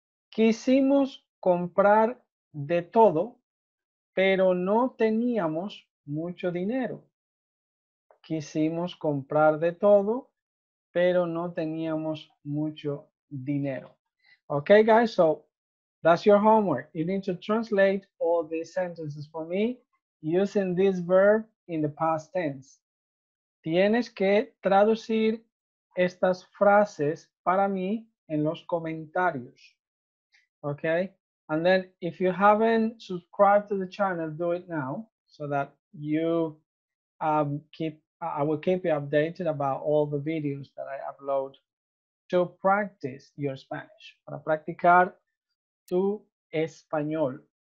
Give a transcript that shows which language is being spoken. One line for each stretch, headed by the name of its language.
Spanish: Quisimos comprar de todo, pero no teníamos mucho dinero. Quisimos comprar de todo, pero no teníamos mucho dinero.
English: Okay, guys, so that's your homework. You need to translate all these sentences for me using this verb in the past tense.
Spanish: Tienes que traducir estas frases para mí en los comentarios.
English: Okay, and then if you haven't subscribed to the channel, do it now so that you I will keep you updated about all the videos that I upload to practice your Spanish,
Spanish: para practicar tu español.